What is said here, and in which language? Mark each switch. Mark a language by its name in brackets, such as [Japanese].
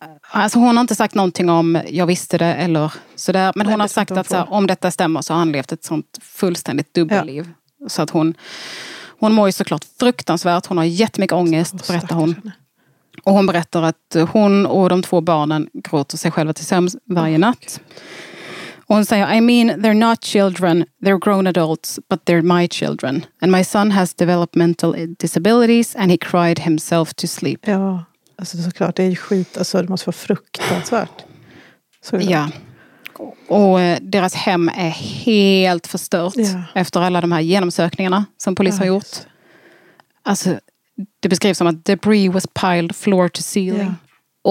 [Swedish] alltså hon har inte sagt någonting om jag visste det eller sådär. Men hon har sagt att så här, om detta stämmer så har han levt ett sånt fullständigt dubbelliv. Ja. Så att hon mår ju såklart fruktansvärt. Hon har jättemycket ångest, berättar hon. Och hon berättar att hon och de två barnen gråter sig själva till sömns varje natt. Och hon säger, [English] I mean, they're not children, they're grown adults, but they're my children. And my son has developmental disabilities and he cried himself to sleep. [Swedish] Ja, alltså såklart, det är ju skit. Alltså det måste vara fruktansvärt. Såklart. Ja. Och deras hem är helt förstört efter alla de här genomsökningarna som polis har gjort. Alltså, det beskrivs som att [English] debris was piled floor to ceiling. [Swedish] Ja.